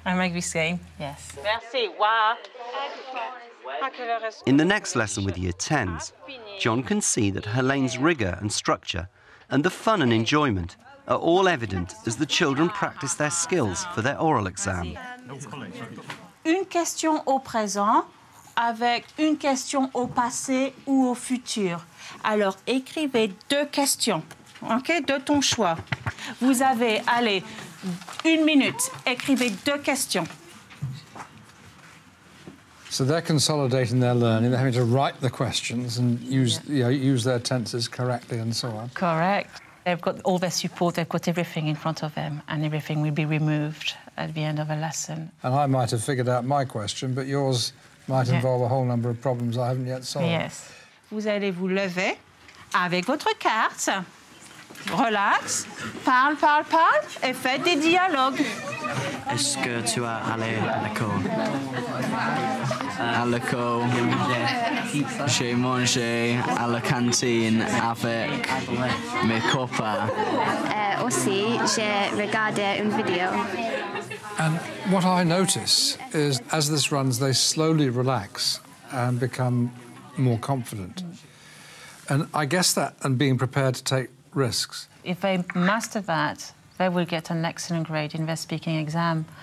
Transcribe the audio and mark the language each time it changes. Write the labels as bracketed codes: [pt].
[en] I make this game. Yes. [fr] Merci. Wow. [en] In the next lesson with Year 10s, John can see that Helene's rigor and structure and the fun and enjoyment are all evident as the children practice their skills for their oral exam. [fr] Une question au présent avec une question au passé ou au futur. Alors, écrivez deux questions, OK, de ton choix. Vous avez, allez, une minute, écrivez deux questions. [en] So they're consolidating their learning, they're having to write the questions and use, yeah, you know, use their tenses correctly and so on. Correct. They've got all their support, they've got everything in front of them, and everything will be removed at the end of a lesson. And I might have figured out my question, but yours might, yeah, involve a whole number of problems I haven't yet solved. Yes. [fr] Vous allez vous lever avec votre carte. Relax, parle, parle, parle, et fais des dialogues. Est-ce que tu as allé à l'école? À l'école, j'ai mangé à la cantine avec mes copains. Aussi, j'ai regardé une vidéo. [en] And what I notice is, as this runs, they slowly relax and become more confident. And I guess that, and being prepared to take risks. If they master that, they will get an excellent grade in their speaking exam.